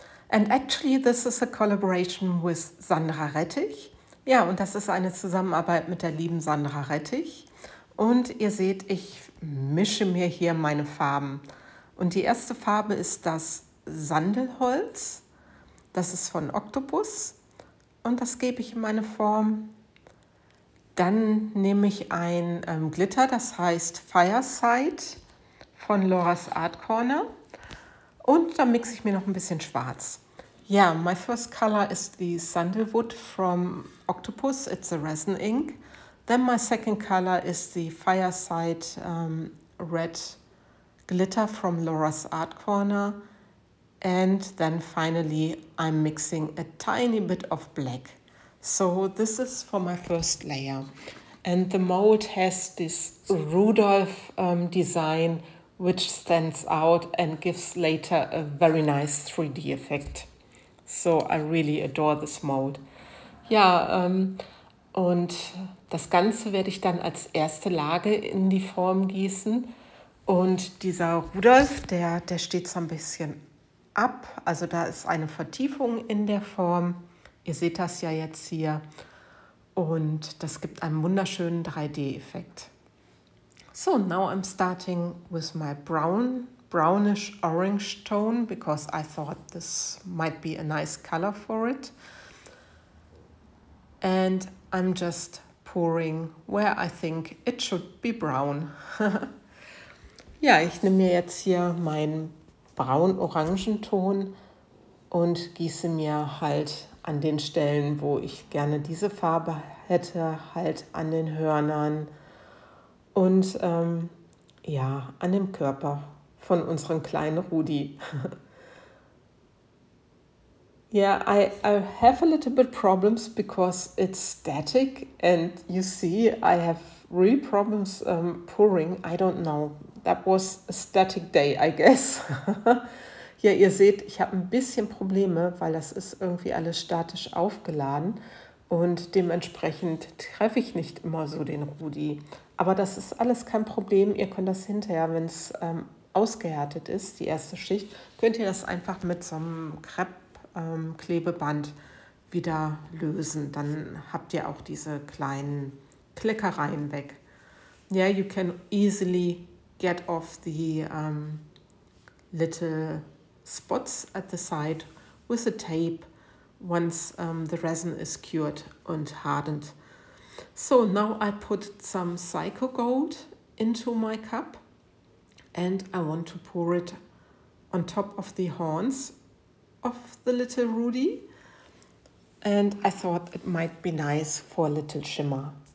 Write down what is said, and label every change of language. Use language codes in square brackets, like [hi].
[en] And actually this is a collaboration with Sandra Rettig. [de] Ja, und das ist eine Zusammenarbeit mit der lieben Sandra Rettig. Und ihr seht, ich mische mir hier meine Farben. Und die erste Farbe ist das Sandelholz. Das ist von Octopus. Und das gebe ich in meine Form. Dann nehme ich ein Glitter, das heißt Fireside von Laura's Art Corner. Und dann mixe ich mir noch ein bisschen Schwarz. [en] Ja, yeah, my first color is the Sandalwood from Octopus. It's a resin ink. Then my second color is the Fireside Red Glitter from Laura's Art Corner. And then finally I'm mixing a tiny bit of black. So this is for my first layer. And the mold has this Rudolph design, which stands out and gives later a very nice 3D effect. So I really adore this mold. [de] Ja, und das Ganze werde ich dann als erste Lage in die Form gießen. Und dieser Rudolph, der steht so ein bisschen ab. Also da ist eine Vertiefung in der Form. Ihr seht das ja jetzt hier und das gibt einen wunderschönen 3D-Effekt. [en] So, now I'm starting with my brownish orange tone, because I thought this might be a nice color for it. And I'm just pouring where I think it should be brown. [de] Ja, ich nehme mir jetzt hier meinen braun-orangen-Ton und gieße mir halt an den Stellen, wo ich gerne diese Farbe hätte, halt an den Hörnern und ja, an dem Körper von unserem kleinen Rudi. [en] Yeah, I have a little bit problems because it's static and you see, I have real problems pouring. I don't know, that was a static day, I guess. [de] Ja, ihr seht, ich habe ein bisschen Probleme, weil das ist irgendwie alles statisch aufgeladen und dementsprechend treffe ich nicht immer so den Rudi. Aber das ist alles kein Problem. Ihr könnt das hinterher, wenn es ausgehärtet ist, die erste Schicht, könnt ihr das einfach mit so einem Crepe-Klebeband wieder lösen. Dann habt ihr auch diese kleinen Klickereien weg. [en] Ja, yeah, you can easily get off the little spots at the side with the tape once the resin is cured and hardened. So now I put some Psycho Gold into my cup and I want to pour it on top of the horns of the little Rudi, and I thought it might be nice for a little shimmer.